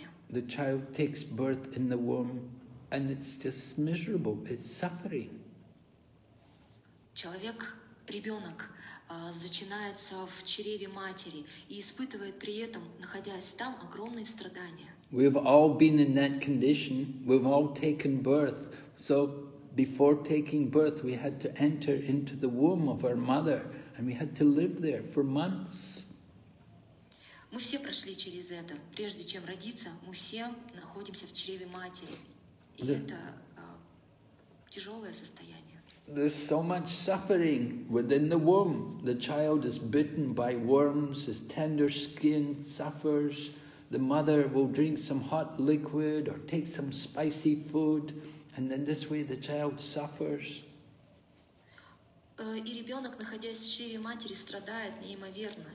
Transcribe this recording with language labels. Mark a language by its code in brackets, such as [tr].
[en] The child takes birth in the womb, and it's just miserable. It's suffering. [ru] Человек, ребенок. Зачинается в чреве матери и испытывает при этом, находясь там, огромные страдания. [en] We've all been in that condition. We've all taken birth. So before taking birth, we had to enter into the womb of our mother and we had to live there for months. [ru] Мы все прошли через это. Прежде чем родиться, мы все находимся в чреве матери. И это тяжелое состояние. [en] There's so much suffering within the womb. The child is bitten by worms, his tender skin suffers. The mother will drink some hot liquid or take some spicy food, and then this way the child suffers. [ru] И ребенок, находясь в чреве матери, страдает неимоверно.